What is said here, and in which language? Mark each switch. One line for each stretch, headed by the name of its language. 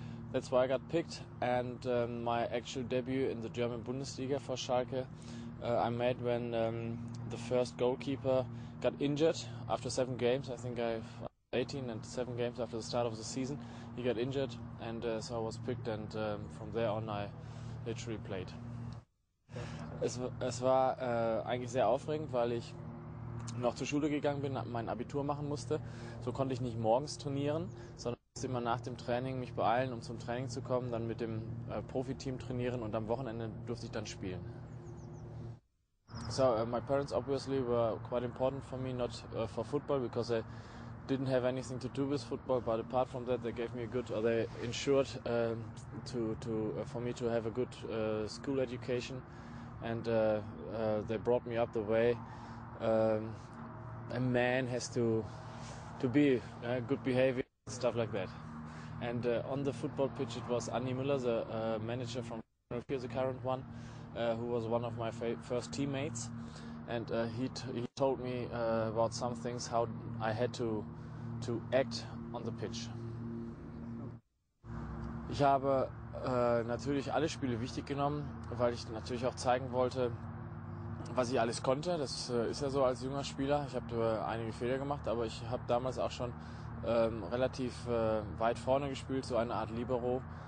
English: That's why I got picked, and my actual debut in the German Bundesliga for Schalke I made when the first goalkeeper got injured after 7 games. I think I 18 and 7 games after the start of the season, he got injured, and so I was picked, and from there on I literally played.
German: Es war eigentlich sehr aufregend, weil ich noch zur Schule gegangen bin, mein Abitur machen musste. So konnte ich nicht morgens trainieren, sondern musste immer nach dem Training mich beeilen, um zum Training zu kommen, dann mit dem Profiteam trainieren und am Wochenende durfte ich dann spielen.
English: So, my parents obviously were quite important for me, not for football, because they didn't have anything to do with football, but apart from that, they gave me a good, or they ensured for me to have a good school education. And they brought me up the way a man has to be, good behavior, stuff like that. And on the football pitch, it was Andy Müller, the manager from the current one, who was one of my first teammates. And he told me about some things, how I had to act on the pitch.
German: Ich habe natürlich alle Spiele wichtig genommen, weil ich natürlich auch zeigen wollte, was ich alles konnte. Das ist ja so als junger Spieler. Ich habe einige Fehler gemacht, aber ich habe damals auch schon relativ weit vorne gespielt, so eine Art Libero.